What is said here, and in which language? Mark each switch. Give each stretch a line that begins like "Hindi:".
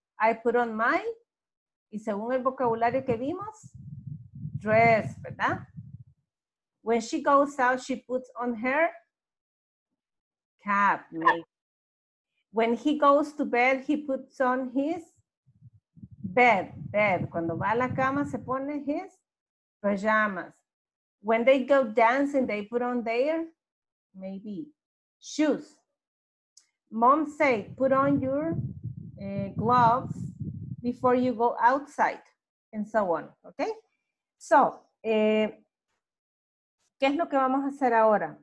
English: I put on my,
Spanish: y según el vocabulario que vimos, dress, ¿verdad?
English: When she goes out, she puts on her cap, maybe. When he goes to bed, he puts on his bed.
Spanish: Cuando va a la cama, se pone
English: his pajamas. When they go dancing, they put on their, maybe, shoes. Mom say, put on your gloves before you go outside, and so on, okay?
Spanish: So, ¿qué es lo que vamos a hacer ahora?